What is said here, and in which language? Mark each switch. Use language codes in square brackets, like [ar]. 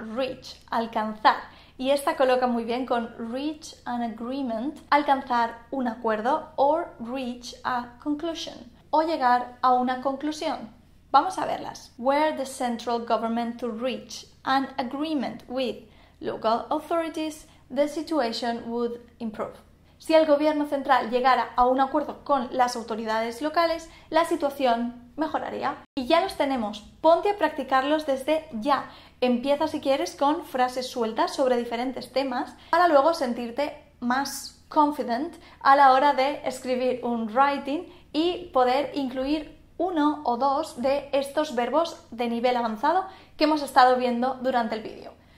[en] Reach, [es] alcanzar. Y esta coloca muy bien con [en] reach an agreement, [es] alcanzar un acuerdo, [en] or reach a conclusion, [es] o llegar a una conclusión. Vamos a verlas. [en] Where the central government to reach an agreement with local authorities, the situation would improve. [es] Si el gobierno central llegara a un acuerdo con las autoridades locales, la situación mejoraría. Y ya los tenemos. Ponte a practicarlos desde ya. Empieza, si quieres, con frases sueltas sobre diferentes temas para luego sentirte más confident a la hora de escribir un writing y poder incluir uno o dos de estos verbos de nivel avanzado que hemos estado viendo durante el vídeo.